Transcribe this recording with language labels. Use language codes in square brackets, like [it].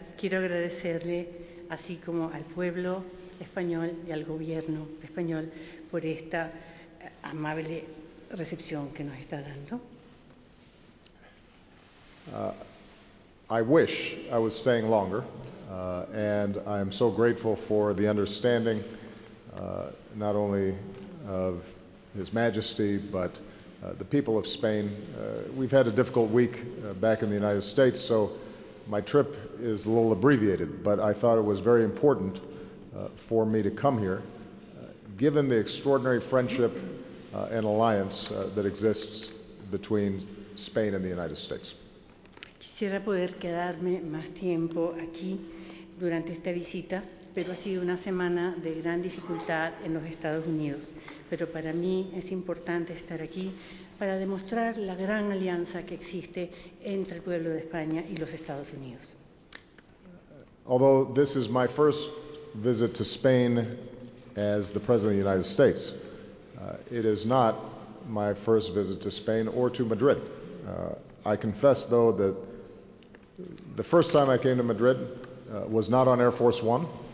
[es] Quiero agradecerle, así como al pueblo español y al gobierno español, por esta amable recepción que nos está dando. [en] I wish I was staying longer, and I'm so grateful for the understanding, not only of His Majesty, but the people of Spain. We've had a difficult week back in the United States, so my trip is a little abbreviated, but I thought it was very important for me to come here, given the extraordinary friendship and alliance that exists between Spain and the United States. [es] Quisiera poder quedarme más tiempo aquí durante esta visita, pero ha sido una semana de gran dificultad en los Estados Unidos. Pero para mí es importante estar aquí para demostrar la gran alianza que existe entre el pueblo de España y los Estados Unidos. [en] Although this is my first visit to Spain as the President of the United States, it is not my first visit to Spain or to Madrid. I confess, though, that the first time I came to Madrid was not on Air Force One.